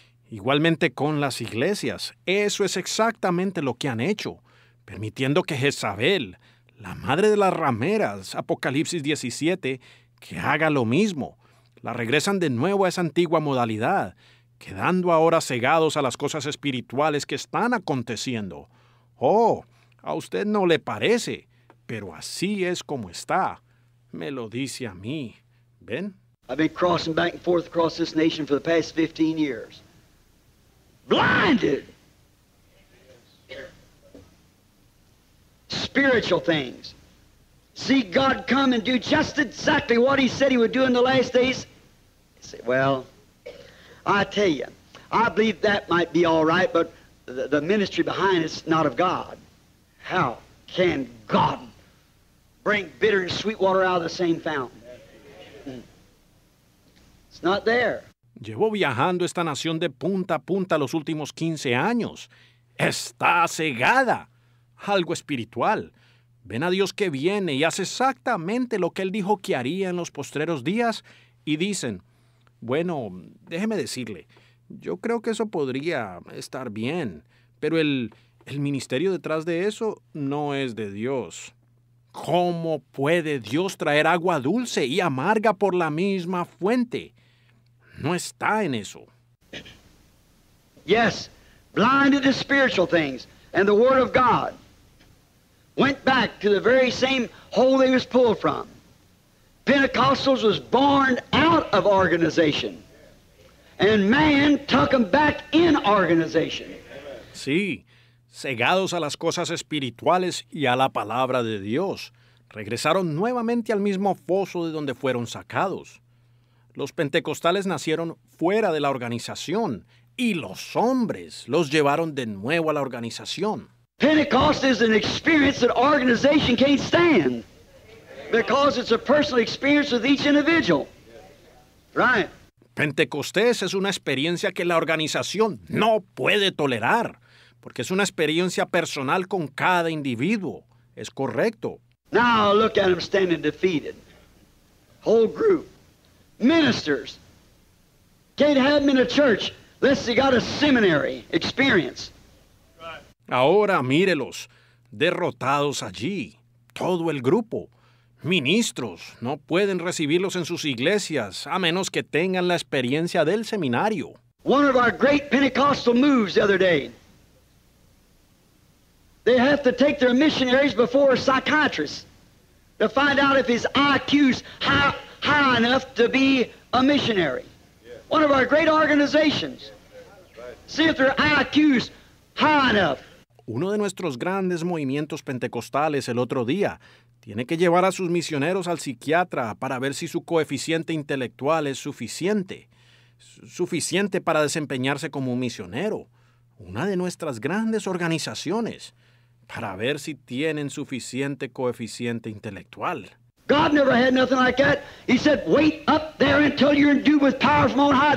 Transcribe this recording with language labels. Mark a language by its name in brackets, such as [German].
[Spanish] Igualmente con las iglesias. Eso es exactamente lo que han hecho, permitiendo que Jezabel, la madre de las rameras, Apocalipsis 17, que haga lo mismo. La regresan de nuevo a esa antigua modalidad, quedando ahora cegados a las cosas espirituales que están aconteciendo. Oh, a usted no le parece, pero así es como está. Me lo dice a mí. ¿Ven? [English] I've been crossing back and forth across this nation for the past 15 years. Blinded! Spiritual things. See God come and do just exactly what he said he would do in the last days. I say, well, I tell you, I believe that might be all right, but the ministry behind it's not of God. How can God bring bitter and sweet water out of the same fountain? It's not there. [Spanish] Llevo viajando esta nación de punta a punta los últimos 15 años. Está cegada. Algo espiritual. Ven a Dios que viene y hace exactamente lo que Él dijo que haría en los postreros días y dicen, bueno, déjeme decirle, yo creo que eso podría estar bien, pero el ministerio detrás de eso no es de Dios. ¿Cómo puede Dios traer agua dulce y amarga por la misma fuente? No está en eso. [English] Yes, blinded to spiritual things and the word of God. Went back to the very same hole they was pulled from. Pentecostals was born out of organization. And man took them back in organization. [Spanish] Sí, cegados a las cosas espirituales y a la palabra de Dios, regresaron nuevamente al mismo foso de donde fueron sacados. Los pentecostales nacieron fuera de la organización y los hombres los llevaron de nuevo a la organización. [English] Pentecost is an experience that organization can't stand because it's a personal experience with each individual. Right. [Spanish] Pentecostés es una experiencia que la organización no puede tolerar porque es una experiencia personal con cada individuo. Es correcto. [English] Now look at them standing defeated. Whole group. Ministers. Can't have them in a church unless they got a seminary experience. [Spanish] Ahora mírelos, derrotados allí, todo el grupo. Ministros no pueden recibirlos en sus iglesias a menos que tengan la experiencia del seminario. [English] One of our great Pentecostal moves the other day. They have to take their missionaries before a psychiatrist to find out if his IQ's high enough to be a missionary. One of our great organizations. See if their IQ's high enough. [Spanish] Uno de nuestros grandes movimientos pentecostales el otro día tiene que llevar a sus misioneros al psiquiatra para ver si su coeficiente intelectual es suficiente. Suficiente para desempeñarse como un misionero. Una de nuestras grandes organizaciones para ver si tienen suficiente coeficiente intelectual. [English] God never had nothing like that. He said, wait up there until you're endued with power from on high.